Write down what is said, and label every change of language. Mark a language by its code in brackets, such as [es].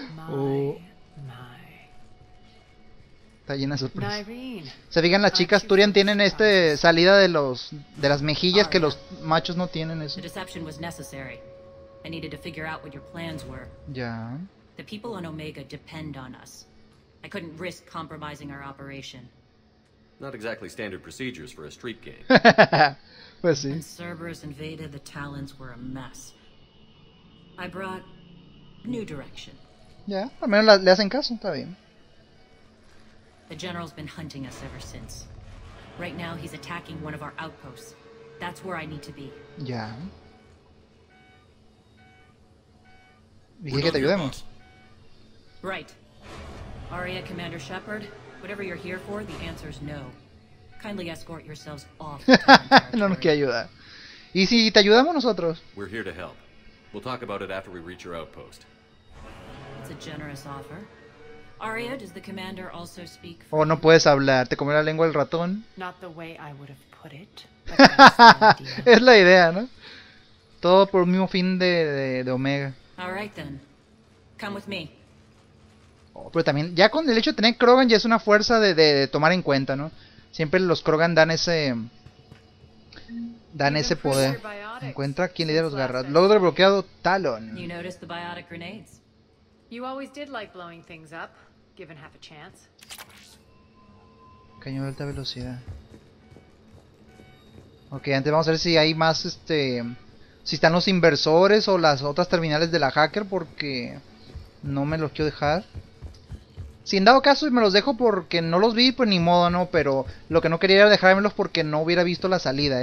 [es] Oh. Está llena de sorpresas. Se fijan, las chicas Turian tienen este salida de los de las mejillas que los machos no tienen eso. [en] The deception was necessary. I needed to figure out what your plans were. Ya. The people on Omega depend on us. I couldn't risk compromising our operation. Not exactly standard procedures for a street game. [es] Pues sí. [en] And Cerberus invaded, the Talons were a mess. I brought new direction. [es] Ya, al menos le hacen caso, está bien. [en] The general's been hunting us ever since. Right now he's attacking one of our outposts. That's where I need to be. [es] Ya. Dije que te ayudemos. [en] Right. Aria, Commander Shepard, whatever you're here for, the answer's no. Kindly escort yourselves off. [es] No nos quiere ayudar. ¿Y si te ayudamos nosotros? [en] We're here to help. We'll talk about it after we reach your outpost. It's a generous offer. Aria, does the commander also speak? [es] Oh, no puedes hablar. Te comió la lengua el ratón. [en] Not the way I would have put it. [es] Es la idea, ¿no? Todo por el mismo fin de Omega. [en] All right then. Come with me. [es] Oh, pero también, ya con el hecho de tener Krogan, ya es una fuerza de tomar en cuenta, ¿no? Siempre los Krogan dan ese poder. Encuentra quién lidera los garras. Logro bloqueado Talon. [en] You noticed the biotic grenades. You always did like blowing things up, given half a chance. [es] Cañón de alta velocidad. Ok, antes vamos a ver si hay más, si están los inversores o las otras terminales de la hacker, porque no me los quiero dejar. Si en dado caso me los dejo porque no los vi, pues ni modo, ¿no? Pero lo que no quería era dejármelos porque no hubiera visto la salida.